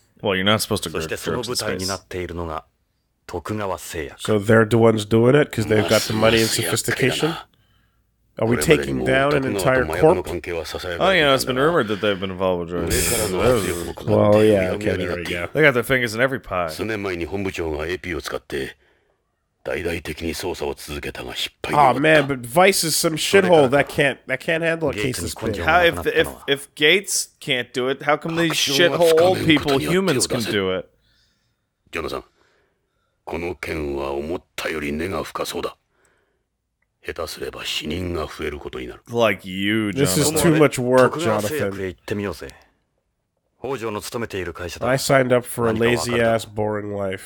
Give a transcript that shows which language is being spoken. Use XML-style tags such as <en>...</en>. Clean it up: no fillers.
<en>Well, you're not supposed to grow drugs in space. So they're the ones doing it because they've got the money and sophistication? Are we taking down an entire corp? Oh, you know, it's been rumored that they've been involved with drugs. Well, yeah, okay, there we go. They got their fingers in every pie.</en> <ja>数年前に本部長が AP を使って大々的に捜査を続けたが失敗になった。</ja> <en>Oh man, but Vice is some shithole that can't handle a case this big. How if Gates can't do it, how come these shithole old people humans can do it?</en> <ja>ジョナサン、この件は思ったより根が深そうだ。下手すれば死人が増えることになる。</ja> <en>Like you, Jonathan. This is too much work, Jonathan.</en> <ja>行ってみようぜ。北条の勤めている会社だ。</ja> <en>I signed up for a lazy ass boring life.</en>